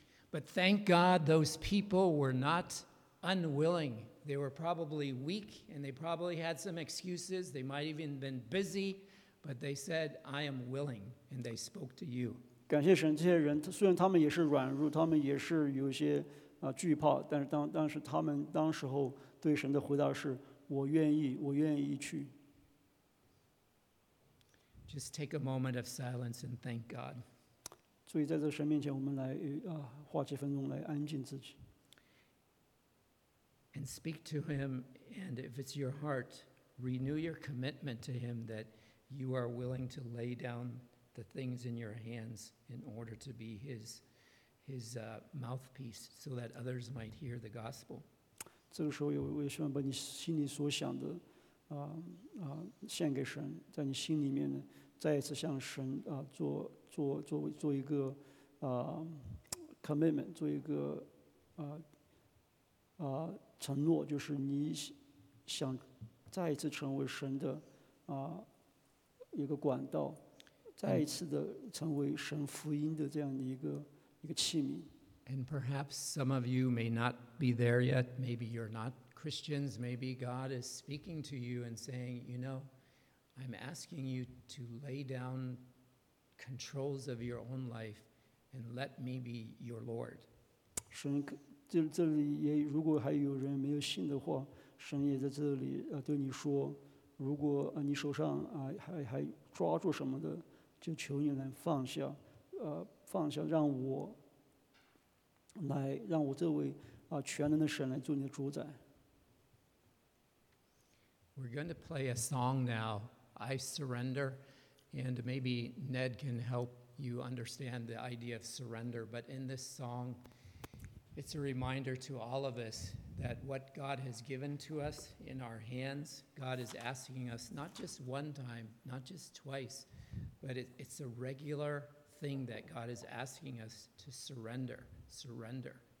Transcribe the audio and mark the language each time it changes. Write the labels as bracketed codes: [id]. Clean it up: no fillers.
[en] But thank God those people were not unwilling. They were probably weak and they probably had some excuses. They might even been busy, but they said, I am willing, and they spoke to you. [zh] 感谢神，这些人虽然他们也是软弱，他们也是有些惧怕，但是当时他们当时候对神的回答是我愿意 [en] Just take a moment of silence and thank God. [zh] 所以在这神面前，我们来花几分钟来安静自己。 [en] And speak to Him, and if it's your heart, renew your commitment to Him that you are willing to lay down the things in your hands in order to be His mouthpiece, so that others might hear the gospel. [zh] 这个时候，我希望把你心里所想的。献给神，在你心里面呢，再一次向神做一个commitment， 做一个承诺，就是你想再一次成为神的一个管道，再一次的成为神福音的这样的一个器皿。 [en] And perhaps some of you may not be there yet. Maybe you're not. Christians, maybe God is speaking to you and saying, you know, I'm asking you to lay down controls of your own life and let me be your Lord. [zh] 神这里也如果还有人没有信的话，神也在这里对你说，如果你手上还抓住什么的，就求你来放下，放下，让我来，让我这位全能的神来做你的主宰。 [en] We're going to play a song now, I Surrender, and maybe Ned can help you understand the idea of surrender, but in this song, it's a reminder to all of us that what God has given to us in our hands, God is asking us not just one time, not just twice, but it's a regular thing that God is asking us to surrender.